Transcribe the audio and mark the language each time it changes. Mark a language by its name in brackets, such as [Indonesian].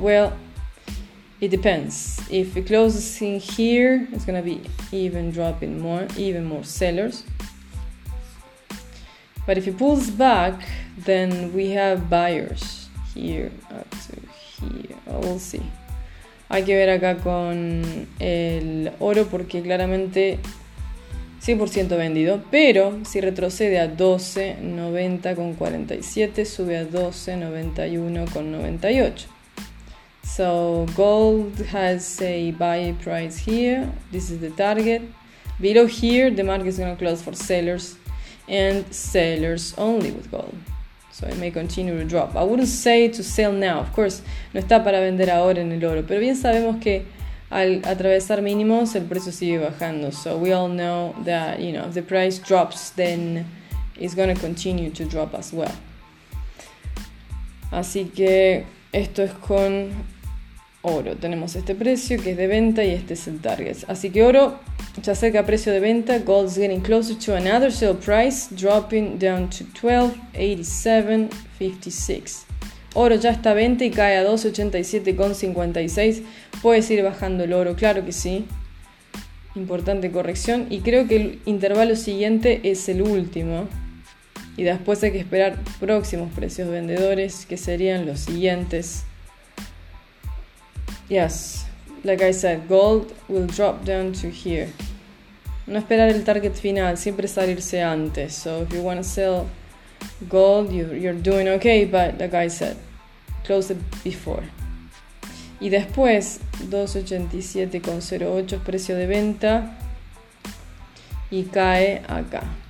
[English] Well, it depends. If it closes in here, it's going to be even dropping more, even more sellers. But if it pulls back, then we have buyers here up to here. We'll see. [Spanish] Hay que ver acá con el oro porque claramente 100% vendido. Pero si retrocede a 12.90 con 47, sube a 12.91 con 98. [English] So gold has a buy price here. This is the target. Below here, the market is going to close for sellers and sellers only with gold. So it may continue to drop. I wouldn't say to sell now. Of course, [Spanish] no está para vender ahora en el oro. Pero bien sabemos que al atravesar mínimos, el precio sigue bajando. [English] So we all know that, you know, if the price drops, then it's going to continue to drop as well. [Spanish] Así que esto es con oro. Tenemos este precio que es de venta y este es el target. Así que oro se acerca a precio de venta. [English] Gold is getting closer to another sale price, dropping down to 12.87.56. [Spanish] Oro ya está a venta y cae a 12.87.56. Puedes ir bajando el oro, claro que sí. Importante corrección. Y creo que el intervalo siguiente es el último. Y después hay que esperar próximos precios vendedores, que serían los siguientes. [English] Yes, like I said, gold will drop down to here. [Spanish] No esperar el target final, siempre salirse antes. [English] So if you want to sell gold, you're doing okay, but like I said, close it before. [Spanish] Y después, 287.08 es precio de venta y cae acá.